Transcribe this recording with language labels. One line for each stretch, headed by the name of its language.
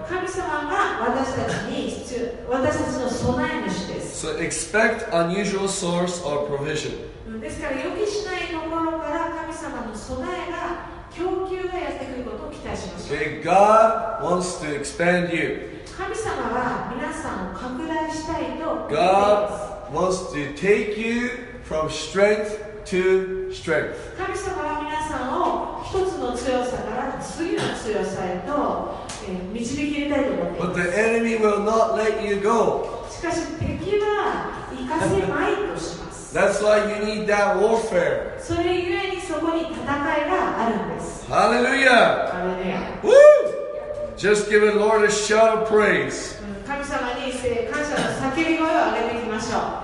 Japanese: 神様が私たちに必要、私たちの備え主です。
English: So expect unusual source or provision.
Japanese: ですから予期しないところから神様の備えが供給がやってくることを期待しましょう。
English: Okay, God wants to expand you.
Japanese: 神様は皆さんを拡大したいと。
English: God wants to take you from strength to strength.
Japanese: 神様は皆さんを一つの強さから次の強さへと。
English: But the enemy will not let you go.
Japanese: しかし敵は行かせまいとします。
English: That's why you need that warfare.
Japanese: それゆえにそこに戦いがあるんです。
English: Hallelujah! Hallelujah! Woo! Just give the Lord a shout of praise.
Japanese: 神様に感謝の叫び声を上げていきましょう。